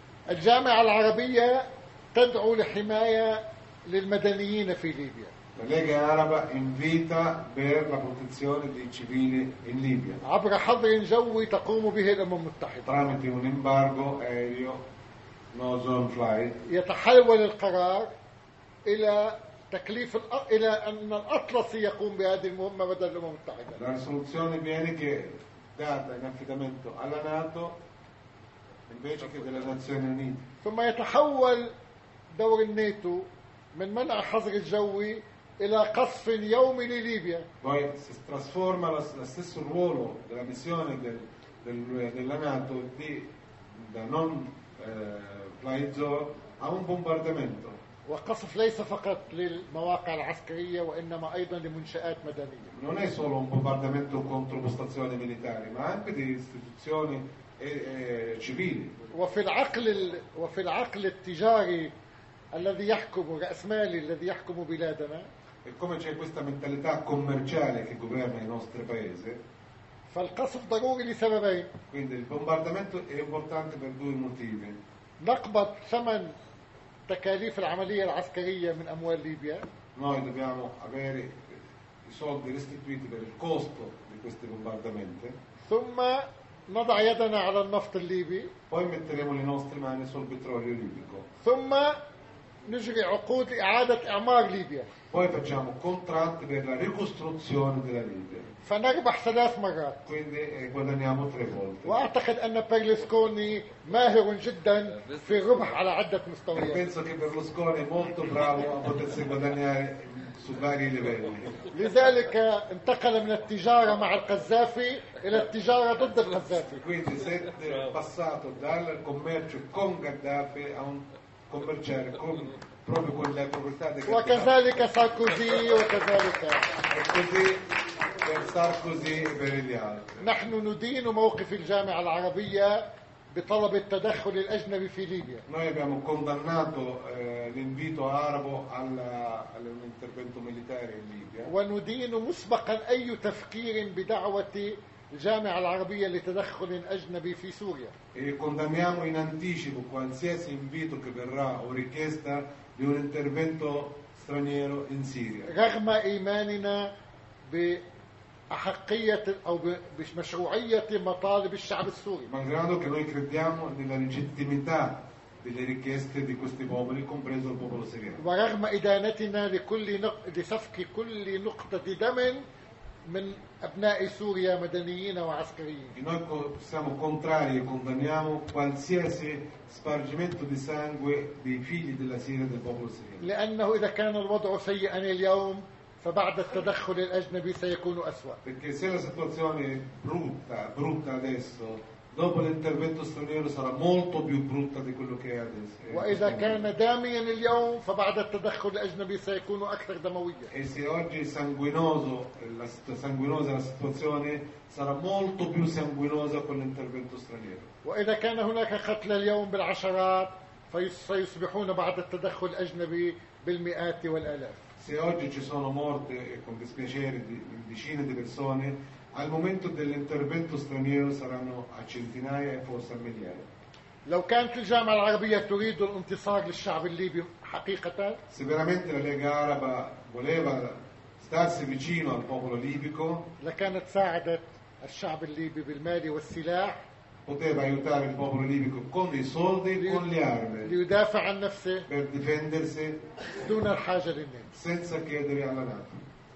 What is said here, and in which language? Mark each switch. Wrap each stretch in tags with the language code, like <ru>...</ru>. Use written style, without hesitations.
<ar>الجامعة العربية تدعو لحماية للمدنيين في ليبيا.</ar> <it>La Lega Araba invita per la protezione dei civili in Libia.</it> <ar>عبر حظر جوي تقوم به الأمم المتحدة.</ar> <it>Tramite un embargo aereo, no zone flight.</it> <ar>يتحول القرار إلى تكليف إلى أن الأطلسي يقوم بهذه المهمة بدل الأمم المتحدة.</ar> <it>La risoluzione viene che data in affidamento alla NATO invece che delle Nazioni Unite.</it> <ar>ثم يتحول دور الناتو من منع حظر الجوي إلى قصف يومي لليبيا.</ar> <it>Poi si trasforma lo stesso ruolo della missione della NATO di da non flight zone a un bombardamento.</it> <ar>وقصف ليس فقط للمواقع العسكرية وإنما أيضا لمنشآت مدنية.</ar> <it>Non è solo un bombardamento contro postazioni militari, ma anche di istituzioni civili.</it> <ar>وفي العقل التجاري الذي يحكم رأسمالي الذي يحكم بلادنا.</ar> <it>E come c'è questa mentalità commerciale che governa il nostro paese?</it> <ar>فالقصف ضروري لسببين.</ar> <it>Quindi il bombardamento è importante per due motivi.</it> <ar>نقبض ثمن تكاليف العملية العسكرية من أموال ليبيا.</ar> <it>Noi dobbiamo avere i soldi restituiti per il costo di questi bombardamenti.</it> <ar>ثم نضع يدنا على النفط الليبي.</ar> <it>Poi metteremo le nostre mani sul petrolio libico.</it> <ar>ثم نجري عقود إعادة إعمار ليبيا.</ar> <it>Poi facciamo contratti per la ricostruzione della Libia.</it> <ar>فنربح ثلاث مرات.</ar> <it>Quindi guadagniamo tre volte.</it> <ar>وأعتقد أن بيرلسكوني ماهر جدا في الربح على عدة مستويات.</ar> <it>Penso che Berlusconi è molto bravo a potersi guadagnare su vari livelli.</it> <ar>لذلك انتقل من التجارة مع القذافي إلى التجارة ضد القذافي.</ar> <it>Quindi si è passato dal commercio con Gaddafi a un commerciare con proprio con le proprietà del</it> <ar>capitale. وكذلك ساركوزي وكذلك.</ar> <it>E così per Sarkozy e per gli altri.</it> <ar>نحن ندين موقف الجامعة العربية بطلب التدخل الأجنبي في ليبيا.</ar> <it>Noi abbiamo condannato l'invito arabo all'intervento militare in Libia.</it> <ar>وندين مسبقا أي تفكير بدعوة الجامعة العربية لتدخل أجنبي في سوريا.</ar> <it>E condanniamo in anticipo qualsiasi invito che verrà o richiesta di un intervento straniero in Siria.</it> <ar>رغم إيماننا بأحقية أو بمشروعية مطالب الشعب السوري.</ar> <it>Malgrado che noi crediamo nella legittimità delle richieste di questi popoli, compreso il popolo siriano.</it> <ar>ورغم إدانتنا لكل لسفك كل نقطة دم من أبناء سوريا مدنيين وعسكريين.</ar> <it>Noi siamo contrari e condanniamo qualsiasi spargimento di sangue dei figli della Siria del popolo siriano.</it> <ar>لأنه إذا كان الوضع سيئا اليوم فبعد التدخل الأجنبي سيكون أسوأ.</ar> <it>Perché se la situazione brutta adesso, dopo l'intervento straniero sarà molto più brutta di quello che è adesso.</it> <ar>وإذا كان داميا اليوم فبعد التدخل الأجنبي سيكون أكثر دموية.</ar> <it>E se oggi sanguinosa la situazione, sarà molto più sanguinosa con l'intervento straniero.</it> <ar>وإذا كان هناك قتل اليوم بالعشرات فسيصبحون بعد التدخل الأجنبي بالمئات والآلاف.</ar> <it>Se oggi ci sono morte e con dispiacere di decine di persone, al momento dell'intervento straniero saranno a centinaia e forse a migliaia.</it> <ar>لو كانت الجامعة العربية تريد الانتصار للشعب الليبي حقيقة.</ar> <it>Se veramente la Lega Araba voleva starsi vicino al popolo libico,</it> <ar>لكانت ساعدت الشعب الليبي بالمال والسلاح.</ar> <it>Poteva aiutare il popolo libico con i soldi e con le armi</it> <ar>ليدافع عن نفسه</ar> <it>per difendersi</it> <ar>دون الحاجة للنيل</ar> <it>senza chiedere alla NATO.</it>